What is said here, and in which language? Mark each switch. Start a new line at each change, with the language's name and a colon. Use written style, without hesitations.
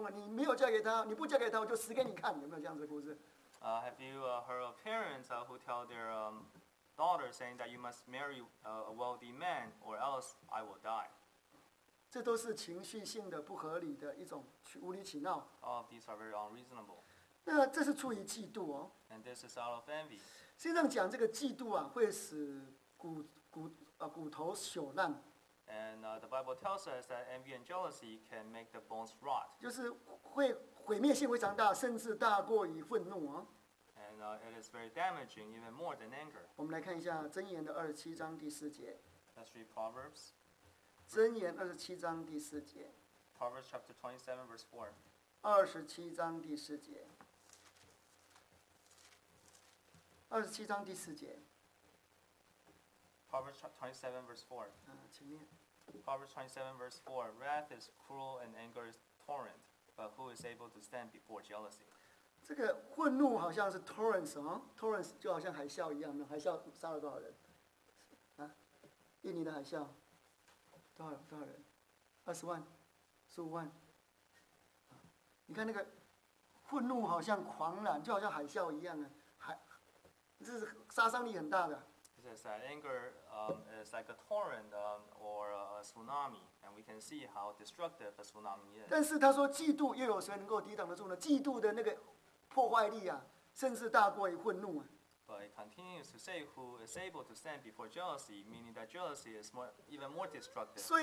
Chinese: 你有没有看过这样的故事？说，哎，你爸爸妈妈会跟你讲哦，你要嫁一个小姐讲，哎，你女儿啊，你要嫁给那个有钱的老公公啊，你没有嫁给他，你不嫁给他，我就死给你看。有没有这样子的故事？
English: Have you heard of parents who tell their daughters saying that you must marry a wealthy man or else I will die?
Chinese: 这都是情绪性的不合理的一种无理取闹。
English: All of these are very unreasonable.
Chinese: 那这是出于嫉妒哦。
English: And this is out of envy.
Chinese: 实际上讲这个嫉妒啊，会使骨头朽烂。
English: And the Bible tells us that envy and jealousy can make the bones rot.
Chinese: 就是会毁灭性非常大，甚至大过于愤怒哦。
English: And it is very damaging, even more than anger.
Chinese: 我们来看一下箴言的27章第4节。
English: Let's read Proverbs.
Chinese: 箴言27章第4节。
English: Proverbs chapter 27, verse 4.
Chinese: 27章第4节。 27章第4节。
English: Proverbs 27, verse 4.
Chinese: 前面。
English: Proverbs 27, verse 4. Wrath is cruel and anger is torrent, but who is able to stand before jealousy?
Chinese: 这个愤怒好像是 torrents 哦 ，torrents 就好像海啸一样的，海啸杀了多少人？啊，印尼的海啸，多少人？20万，15万。你看那个愤怒好像狂澜，就好像海啸一样的，这是杀伤力很大的。
English: It says that anger is like a torrent or a tsunami, and we can see how destructive a tsunami is.
Chinese: 但是他说嫉妒又有谁能够抵挡得住呢？嫉妒的那个 破坏力啊，甚至大过于愤怒啊。
English: But it continues to say who is able to stand before jealousy, meaning that jealousy is even more destructive.